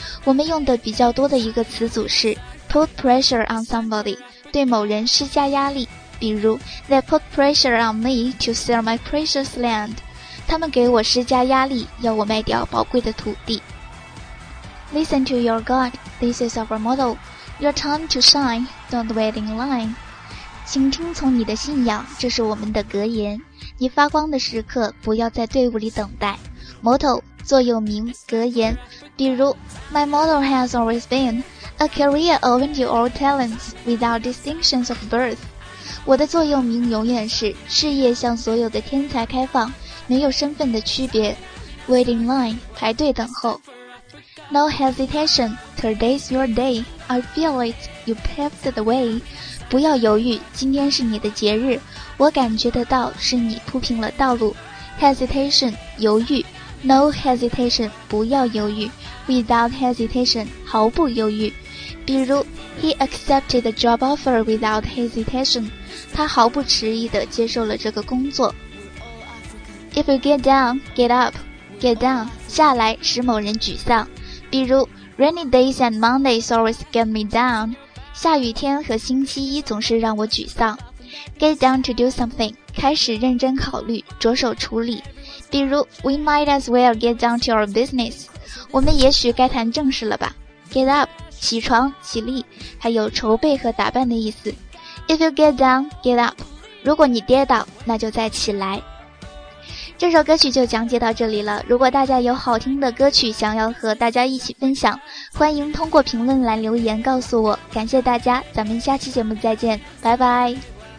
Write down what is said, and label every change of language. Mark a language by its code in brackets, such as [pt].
[zh] 我们用的比较多的一个词组是 [en] put pressure on somebody, [zh] 对某人施加压力。比如 [en] they put pressure on me to sell my precious land, [zh] 他们给我施加压力，要我卖掉宝贵的土地。 [en] Listen to your God, this is our motto, your time to shine, don't wait in line. [zh] 请听从你的信仰，这是我们的格言，你发光的时刻不要在队伍里等待。 [en] Motto, [zh] 座右铭、格言，比如 [en] My motto has always been A career owing to all talents without distinctions of birth. [zh] 我的座右铭永远是事业向所有的天才开放，没有身份的区别。 [en] Waiting line, 排队等候。 No hesitation, today's your day. I feel it, you paved the way. [zh] 不要犹豫，今天是你的节日，我感觉得到是你铺平了道路。 [en] Hesitation, 犹豫。No hesitation, 不要犹豫。 Without hesitation, [zh] 毫不犹豫。比如 [en] He accepted the job offer without hesitation, [zh] 他毫不迟疑地接受了这个工作。 [en] If you get down, get up. Get down, [zh] 下来使某人沮丧。比如 [en] Rainy days and Mondays always get me down. [zh] 下雨天和星期一总是让我沮丧。 [en] Get down to do something, [zh] 开始认真考虑，着手处理。比如 [en] We might as well get down to our business. [zh] 我们也许该谈正事了吧。 [en] Get up, [zh] 起床、起立，还有筹备和打扮的意思。 [en] If you get down, get up. [zh] 如果你跌倒，那就再起来。这首歌曲就讲解到这里了。如果大家有好听的歌曲想要和大家一起分享，欢迎通过评论来留言告诉我。感谢大家，咱们下期节目再见，拜拜。